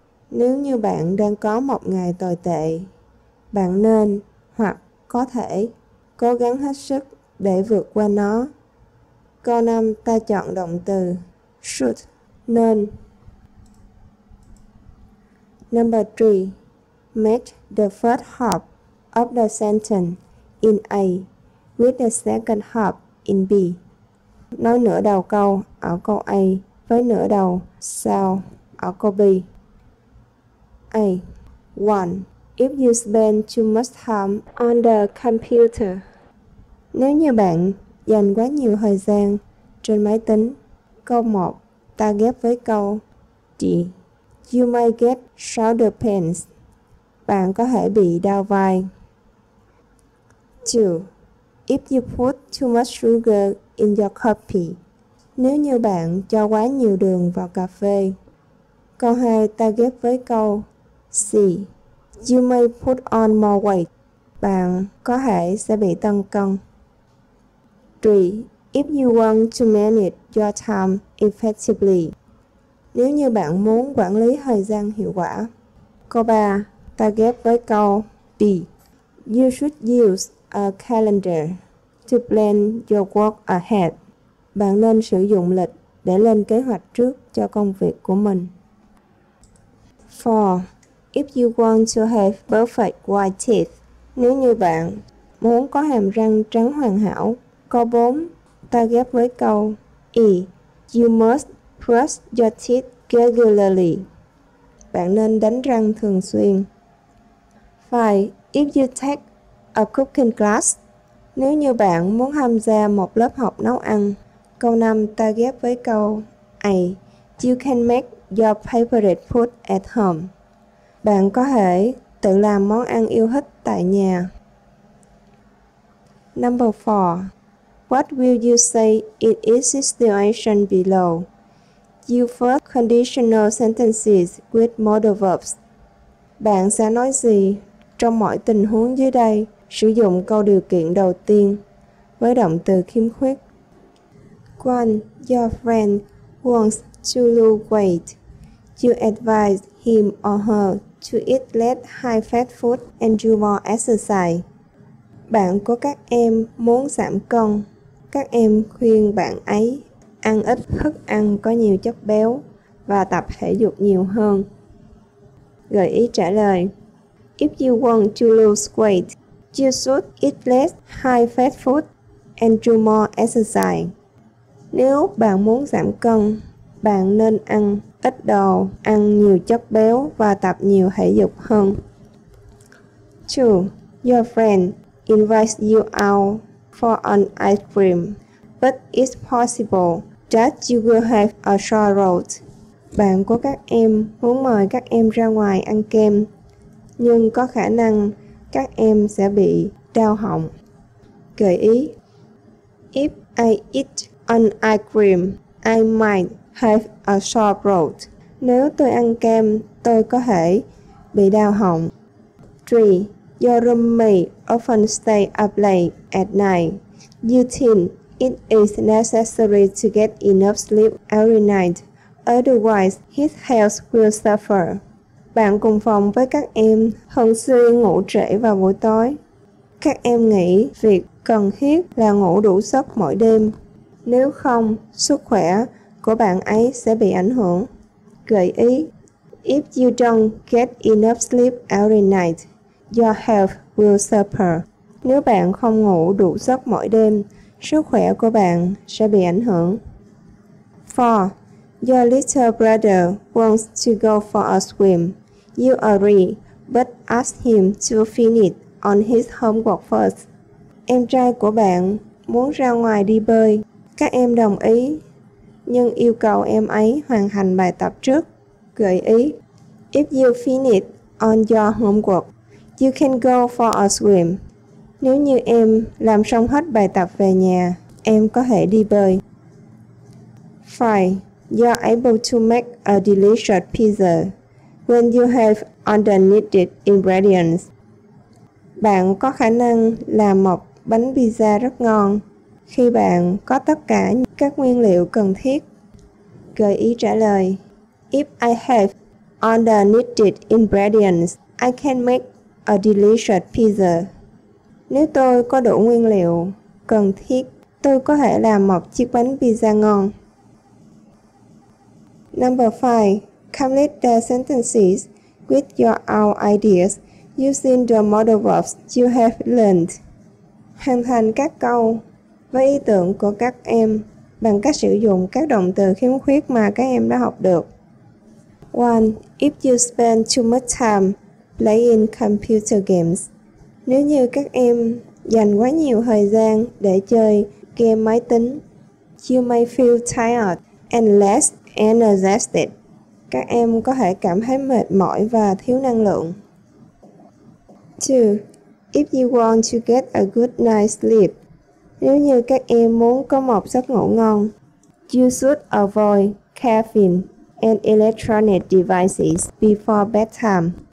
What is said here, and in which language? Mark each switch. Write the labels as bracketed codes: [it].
[vi] Nếu như bạn đang có một ngày tồi tệ, bạn nên hoặc có thể cố gắng hết sức để vượt qua nó. Câu 5, ta chọn động từ should, nên. [en] Number 3. Match the first half of the sentence in A with the second half in B. [vi] Nói nửa đầu câu ở câu A với nửa đầu sau ở câu B. A. 1. [en] If you spend too much time on the computer. [vi] Nếu như bạn dành quá nhiều thời gian trên máy tính. Câu 1. Ta ghép với câu D. [en] You might get shoulder pains. [vi] Bạn có thể bị đau vai. 2. [en] If you put too much sugar in your coffee. [vi] Nếu như bạn cho quá nhiều đường vào cà phê. Câu 2, ta ghép với câu C. [en] You may put on more weight. [vi] Bạn có thể sẽ bị tăng cân. 3. [en] If you want to manage your time effectively. [vi] Nếu như bạn muốn quản lý thời gian hiệu quả. Câu 3, ta ghép với câu B. [en] You should use a calendar to plan your work ahead. [vi] Bạn nên sử dụng lịch để lên kế hoạch trước cho công việc của mình. 4. [en] If you want to have perfect white teeth. [vi] Nếu như bạn muốn có hàm răng trắng hoàn hảo. Câu 4, ta ghép với câu E. [en] You must brush your teeth regularly. [vi] Bạn nên đánh răng thường xuyên. 5. [en] If you take a cooking class. [vi] Nếu như bạn muốn tham gia một lớp học nấu ăn. Câu 5, ta ghép với câu A. [en] You can make your favorite food at home. [vi] Bạn có thể tự làm món ăn yêu thích tại nhà. [en] Number 4. What will you say in each situation below? You first conditional sentences with modal verbs. [vi] Bạn sẽ nói gì Trong mọi tình huống dưới đây, sử dụng câu điều kiện đầu tiên với động từ khiếm khuyết. [en] Quan, your friend wants to lose weight. You advise him or her to eat less high fat food and do more exercise. [vi] Bạn của các em muốn giảm cân. Các em khuyên bạn ấy ăn ít thức ăn có nhiều chất béo và tập thể dục nhiều hơn. Gợi ý trả lời. [en] If you want to lose weight, you should eat less high fat food and do more exercise. [vi] Nếu bạn muốn giảm cân, bạn nên ăn ít đồ, ăn nhiều chất béo và tập nhiều thể dục hơn. 2. [en] Your friend invites you out for an ice cream, but it's possible that you will have a sore throat. [vi] Bạn của các em muốn mời các em ra ngoài ăn kem, nhưng có khả năng các em sẽ bị đau họng. Gợi ý. [en] If I eat an ice cream, I might have a sore throat. [vi] Nếu tôi ăn kem, tôi có thể bị đau họng. 3. [en] Your roommate often stay up late at night. You think it is necessary to get enough sleep every night. Otherwise, his health will suffer. [vi] Bạn cùng phòng với các em thường xuyên ngủ trễ vào buổi tối. Các em nghĩ việc cần thiết là ngủ đủ giấc mỗi đêm. Nếu không, sức khỏe của bạn ấy sẽ bị ảnh hưởng. Gợi ý. [en] If you don't get enough sleep every night, your health will suffer. [vi] Nếu bạn không ngủ đủ giấc mỗi đêm, sức khỏe của bạn sẽ bị ảnh hưởng. 4. [en] Your little brother wants to go for a swim. You agree, but ask him to finish on his homework first. [vi] Em trai của bạn muốn ra ngoài đi bơi. Các em đồng ý, nhưng yêu cầu em ấy hoàn thành bài tập trước. Gợi ý. [en] If you finish on your homework, you can go for a swim. [vi] Nếu như em làm xong hết bài tập về nhà, em có thể đi bơi. 5. [en] You're able to make a delicious pizza when you have all the needed ingredients. [vi] Bạn có khả năng làm một bánh pizza rất ngon khi bạn có tất cả các nguyên liệu cần thiết. Gợi ý trả lời. [en] If I have all the needed ingredients, I can make a delicious pizza. [vi] Nếu tôi có đủ nguyên liệu cần thiết, tôi có thể làm một chiếc bánh pizza ngon. [en] Number 5. Complete the sentences with your own ideas using the modal verbs you have learned. [vi] Hoàn thành các câu với ý tưởng của các em bằng cách sử dụng các động từ khiếm khuyết mà các em đã học được. 1. [en] If you spend too much time playing computer games. [vi] Nếu như các em dành quá nhiều thời gian để chơi game máy tính, [en] you may feel tired and less energetic. [vi] Các em có thể cảm thấy mệt mỏi và thiếu năng lượng. [en] 2. If you want to get a good night's sleep, [vi] nếu như các em muốn có một giấc ngủ ngon, [en] you should avoid caffeine and electronic devices before bedtime.